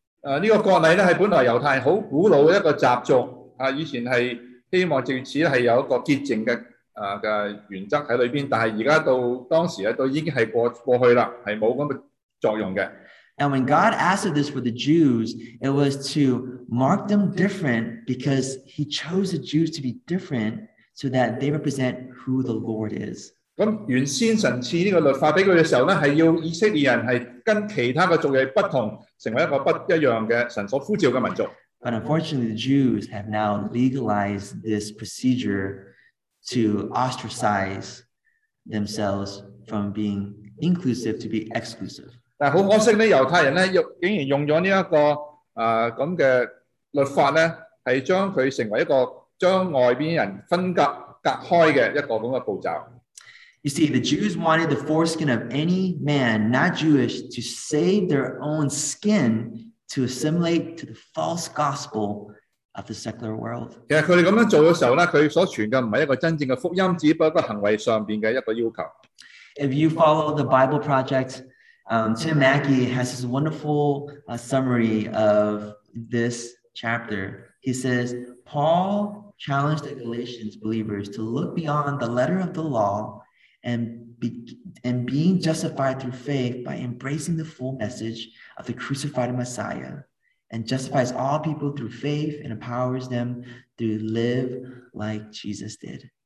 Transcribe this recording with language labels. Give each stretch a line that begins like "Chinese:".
Cantonese: 呢個國禮咧係本來猶太好古老嘅一個習俗啊，以前係希望藉此係有一個潔淨嘅原則喺裏邊，但係而家到當時咧都已經係過去啦，係冇咁嘅作用嘅。
English: And when God asked this for the Jews, it was to mark them different because he chose the Jews to be different so that they represent who the Lord is.
Cantonese: 咁原先神赐呢个律法俾佢嘅时候咧，系要以色列人系跟其他嘅族裔不同，成为一个不一样嘅神所呼召嘅民族。
English: But unfortunately, the Jews have now legalized this procedure to ostracize themselves from being inclusive to be exclusive.
Cantonese: 但好可惜咧，犹太人咧又竟然用咗呢一个咁嘅律法咧，系将佢成为一个将外边人分隔隔开嘅一个咁嘅步骤。
English: You see, the Jews wanted the foreskin of any man not Jewish to save their own skin to assimilate to the false gospel of the secular world.
Cantonese: 其实佢哋咁样做嘅时候咧，佢所传嘅唔系一个真正嘅福音，只不过行为上边嘅一个要求。
English: If you follow the Bible Project, Tim Mackey has this wonderful summary of this chapter. He says Paul challenged the Galatians believers to look beyond the letter of the law. And being justified through faith by embracing the full message of the crucified Messiah, and justifies all people through faith and empowers them to live like Jesus did.